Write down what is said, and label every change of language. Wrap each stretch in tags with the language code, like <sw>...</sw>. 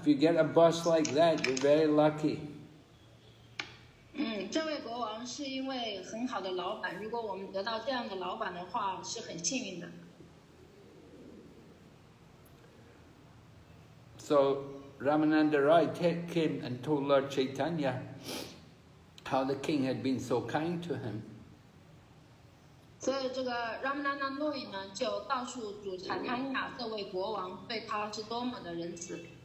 <en>If you get a boss like that, you're very lucky.</en> <zh>这位国王是一位很好的老板，如果我们得到这样的老板的话，是很幸运的。</zh> <en>So, Ramananda Rai came and told Lord Chaitanya how the king had been so kind to him.</en> <zh>所以这个 Ramananda Rai 呢，就告诉主 Chaitanya 这位国王对他是多么的仁慈。</zh>